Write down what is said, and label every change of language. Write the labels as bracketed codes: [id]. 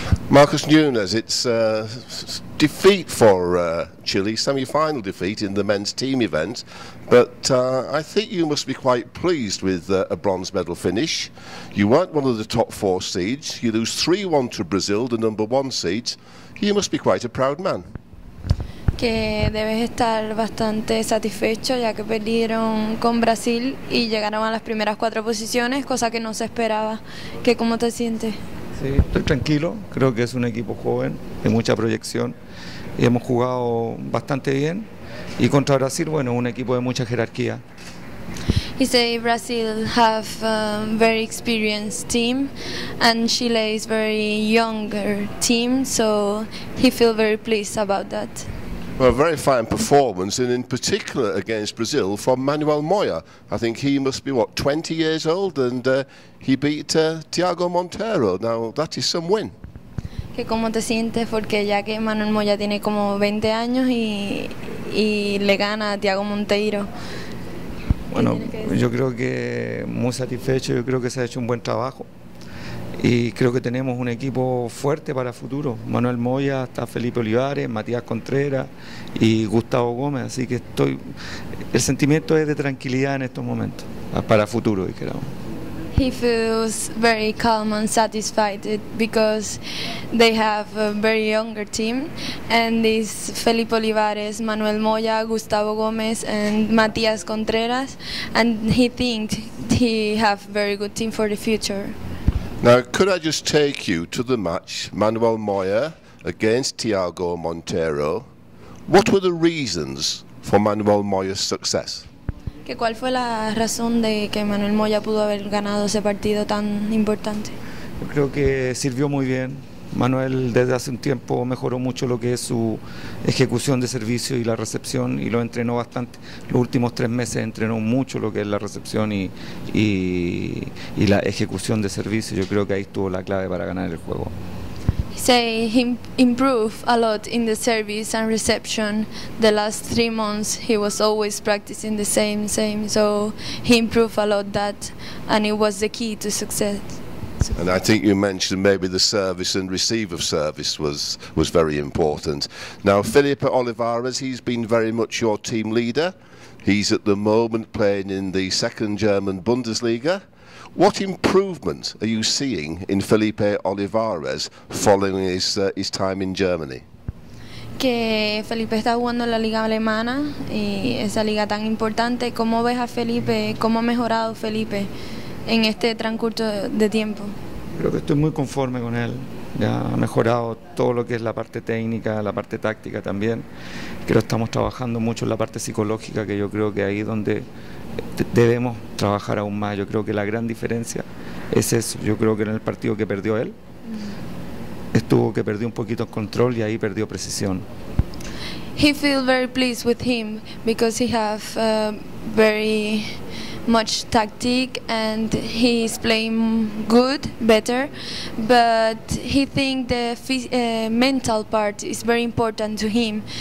[en] Marcus Nunez, it's defeat for Chile, semi-final defeat in the men's team event, but I think you must be quite pleased with a bronze medal finish. You weren't one of the top four seeds. You lose 3-1 to Brazil, the number one seed. You must be quite a proud man. [es] Que debes estar bastante satisfecho ya que perdieron con Brasil y llegaron a las primeras cuatro posiciones, cosa que no se esperaba. ¿Qué, cómo te sientes? Sí, estoy tranquilo, creo que es un equipo joven, de mucha proyección y hemos jugado bastante bien y contra Brasil, bueno, un equipo de mucha jerarquía. [en] You say Brazil have a very experienced team and Chile is very younger team, so he feel very pleased about that. Well, a very fine performance, and in particular against Brazil from Manuel Moya. I think he must be, what, 20 years old, and he beat Thiago Monteiro. Now, that is some win. [es] ¿Qué, cómo te sientes? Porque ya que Manuel Moya tiene como 20 años y le gana a Thiago Monteiro. Bueno, yo creo que muy satisfecho, yo creo que se ha hecho un buen trabajo. Y creo que tenemos un equipo fuerte para el futuro. Manuel Moya, está Felipe Olivares, Matías Contreras y Gustavo Gómez. Así que estoy, el sentimiento es de tranquilidad en estos momentos, para el futuro, digamos. [en] He feels very calm and satisfied because they have a very younger team, and this Felipe Olivares, Manuel Moya, Gustavo Gómez and Matías Contreras, and he thinks he have very good team for the future. Now, could I just take you to the match, Manuel Moya against Thiago Monteiro? What were the reasons for Manuel Moya's success? [es] ¿Qué, cuál fue la razón de que Manuel Moya pudo haber ganado ese partido tan importante? Yo creo que sirvió muy bien. Manuel desde hace un tiempo mejoró mucho lo que es su ejecución de servicio y la recepción y lo entrenó bastante. Los últimos tres meses entrenó mucho lo que es la recepción y la ejecución de servicio. Yo creo que ahí estuvo la clave para ganar el juego. [en] Say he improved a lot in the service and reception. The last 3 months he was always practicing the same, so he improved a lot that, and it was the key to success. And I think you mentioned maybe the service and receive of service was very important. Now, Felipe Olivares, he's been very much your team leader. He's at the moment playing in the second German Bundesliga. What improvement are you seeing in Felipe Olivares following his time in Germany? [es] Que Felipe está jugando en la liga alemana y esa liga tan importante. ¿Cómo ves a Felipe? ¿Cómo ha mejorado Felipe en este transcurso de tiempo? Creo que estoy muy conforme con él. Ya ha mejorado todo lo que es la parte técnica, la parte táctica también. Creo que estamos trabajando mucho en la parte psicológica, que yo creo que ahí es donde debemos trabajar aún más. Yo creo que la gran diferencia es eso. Yo creo que en el partido que perdió él, estuvo que perdió un poquito el control y ahí perdió precisión. [en] He feel very pleased with him because he have very much tactic and he's playing good, better, but he think the mental part is very important to him.